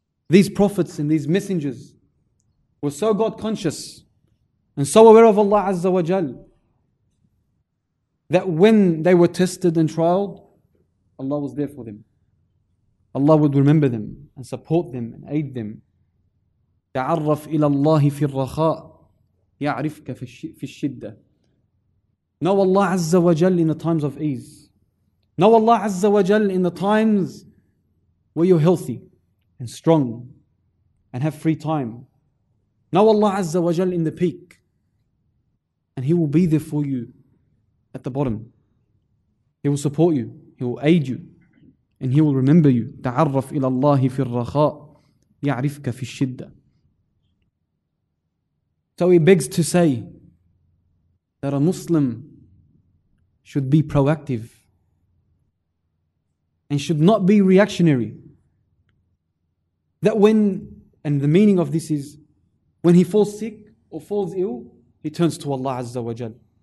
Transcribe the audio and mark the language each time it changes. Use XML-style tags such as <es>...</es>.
<en>These prophets and these messengers were so God conscious and so aware of Allah Azza wa Jal that when they were tested and trialed, Allah was there for them. Allah would remember them and support them and aid them.</en> <ar>تعرف إلى الله في الرخاء يعرفك في الشدة.</ar> <en>Know Allah Azza wa Jal in the times of ease. Know Allah Azza wa Jal in the times where you're healthy and strong and have free time. Know Allah Azza wa Jal in the peak, and He will be there for you at the bottom. He will support you. He will aid you. And he will remember you.</en> <ar>تعرف إلى الله في الرخاء يعرفك في الشدة.</ar> <en>So he begs to say that a Muslim should be proactive and should not be reactionary. That when, and the meaning of this is, when he falls sick or falls ill, he turns to Allah Azza wa Jal.</en>